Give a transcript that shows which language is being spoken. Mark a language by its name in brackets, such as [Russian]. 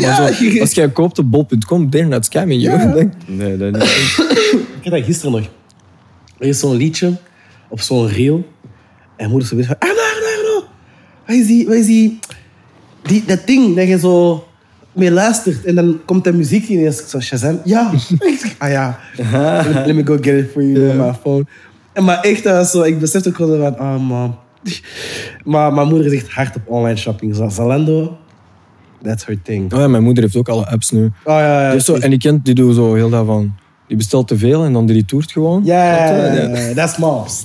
[Dutch] Maar zo, als jij koopt op bol.com, [English] they're not scamming you. [Dutch] Nee, dat niet. Ik heb dat gisteren nog. Er is zo'n liedje op zo'n reel. En moeder zo weer van, no. Wat is die? Dat ding dat je zo mee luistert. En dan komt de muziek ineens. Ik zo, Shazam. Ja. [English] Let me go get it for you on my phone. [Dutch] En maar echt, zo, ik besefte ook gewoon van, oh man. Maar mijn moeder is echt hard op online shopping. Zalando, [English] that's her thing. [Dutch] Oh ja, mijn moeder heeft ook alle apps nu. Oh ja, ja. Dus zo, en die kent, die doet zo heel dat van... Die bestelt te veel en dan die toert gewoon. [English] That's moms.